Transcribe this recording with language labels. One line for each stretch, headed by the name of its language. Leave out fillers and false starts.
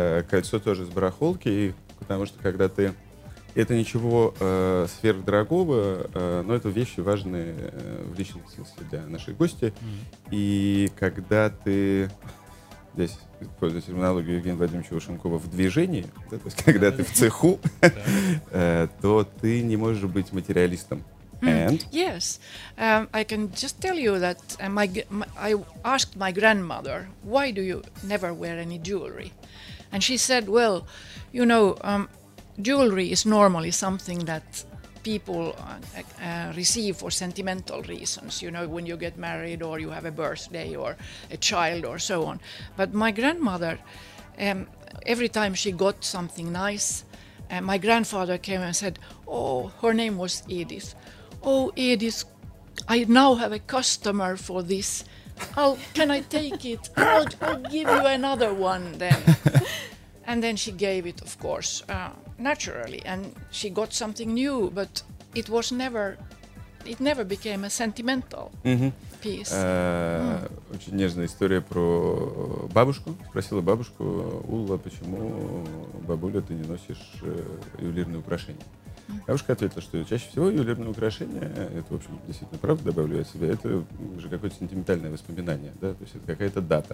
Russian: Кольцо тоже с барахолки, потому что когда ты… Это ничего сверхдорогого, но это вещи важные в личном смысле для наших гостей. И когда ты… Здесь используя терминологию Евгения Владимировича Ушенкова, в движении, да, то есть когда ты в цеху, то ты не можешь быть материалистом.
English: Yes, I can just tell you that I asked my grandmother, why do you never wear any jewelry? And she said, well, you know, jewelry is normally something that people receive for sentimental reasons, you know, when you get married or you have a birthday or a child or so on. But my grandmother, every time she got something nice, my grandfather came and said, oh, her name was Edith. Oh, Edith, I now have a customer for this. I'll, can I take it? I'll give you another one then. And then she gave it, of course, naturally, and she got something new, but it was never, it never became a sentimental piece.
Russian: Очень нежная история про бабушку. Спросила бабушку, Улла, почему, бабуля, ты не носишь ювелирные украшения? Бабушка ответила, что чаще всего ювелирные украшения, это, в общем, действительно правда, добавлю я себе, это уже какое-то сентиментальное воспоминание, да, то есть это какая-то дата.